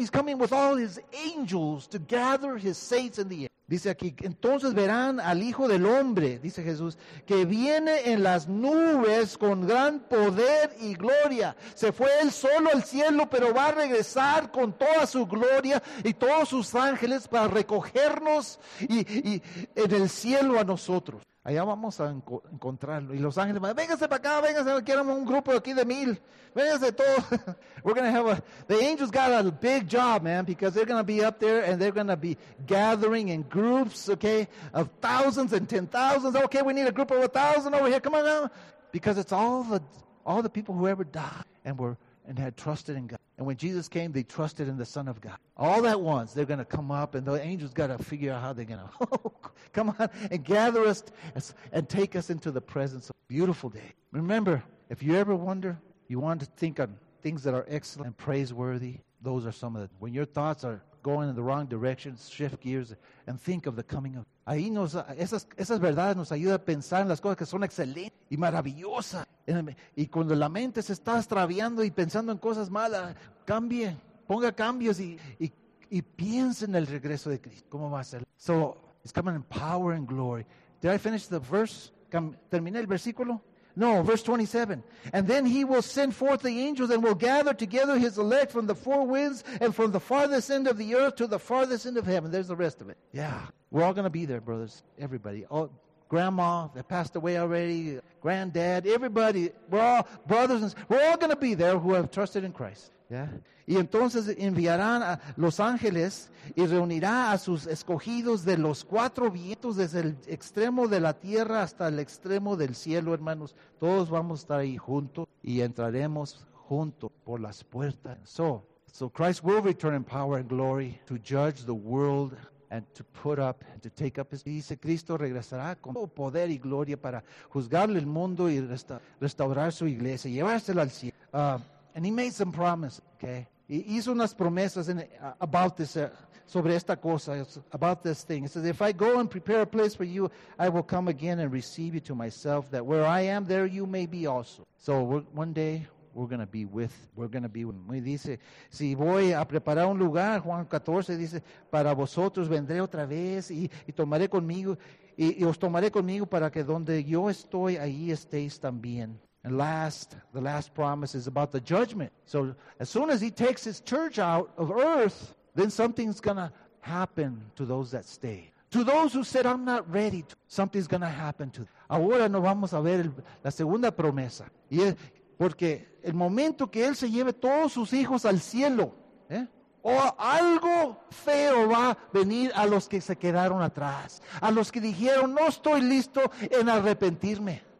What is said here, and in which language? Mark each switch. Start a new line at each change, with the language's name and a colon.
English: He's coming with all his angels to gather his saints in the air.
Spanish: Dice aquí, entonces verán al Hijo del Hombre, dice Jesús, que viene en las nubes con gran poder y gloria. Se fue él solo al cielo, pero va a regresar con toda su gloria y todos sus ángeles para recogernos y en el cielo a nosotros. Allá vamos a encontrarlo. Y los ángeles, véngase para acá, véngase, queremos un grupo aquí de mil. Véngase todo.
English: We're going to have the angels got a big job, man, because they're going to be up there and they're going to be gathering in groups, okay, of thousands and ten thousands. Okay, we need a group of 1,000 over here. Come on now. Because it's all the people who ever died and had trusted in God. And when Jesus came, they trusted in the Son of God. All at once, they're going to come up, and the angels got to figure out how they're going to come on and gather us and take us into the presence of a beautiful day. Remember, if you ever wonder, you want to think on things that are excellent and praiseworthy, those are some of them. When your thoughts are going in the wrong direction, shift gears and think of the coming of God.
Spanish: Ahí nos, esas verdades nos ayudan a pensar en las cosas que son excelentes y maravillosas. Y cuando la mente se está extraviando y pensando en cosas malas, cambie, ponga cambios y piense en el regreso de Cristo. ¿Cómo va a ser?
English: So, it's coming in power and glory. Did I finish the verse?
Spanish: ¿Terminé el versículo? No,
English: verse 27. And then he will send forth the angels and will gather together his elect from the four winds and from the farthest end of the earth to the farthest end of heaven. There's the rest of it. Yeah, we're all going to be there, brothers, everybody. Oh, grandma that passed away already, granddad, everybody, we're all brothers and sisters. We're all going to be there who have trusted in Christ. Yeah.
Spanish: Y entonces enviarán a los ángeles y reunirá a sus escogidos de los cuatro vientos desde el extremo de la tierra hasta el extremo del cielo, hermanos. Todos vamos a estar ahí juntos y entraremos juntos por las puertas.
English: So Christ will return in power and glory to judge the world and to put up, to take up his...
Spanish: Dice, Cristo regresará con todo poder y gloria para juzgarle el mundo y restaurar su iglesia, llevársela al cielo.
English: And he made some promises, okay? He
Spanish: hizo unas promesas
English: about this,
Spanish: sobre esta cosa,
English: about this thing. He says, if I go and prepare a place for you, I will come again and receive you to myself, that where I am, there you may be also. So one day, we're going to be with him.
Spanish: Y dice, si voy a preparar un lugar, Juan 14 dice, para vosotros vendré otra vez y tomaré conmigo, y os tomaré conmigo para que donde yo estoy, ahí estéis también.
English: And last, the last promise is about the judgment. So as soon as he takes his church out of earth, then something's going to happen to those that stay. To those who said, I'm not ready, something's going to happen to them.
Spanish: Ahora no vamos a ver la segunda promesa. Y es porque el momento que él se lleve todos sus hijos al cielo, o algo feo va a venir a los que se quedaron atrás. A los que dijeron, no estoy listo en arrepentirme.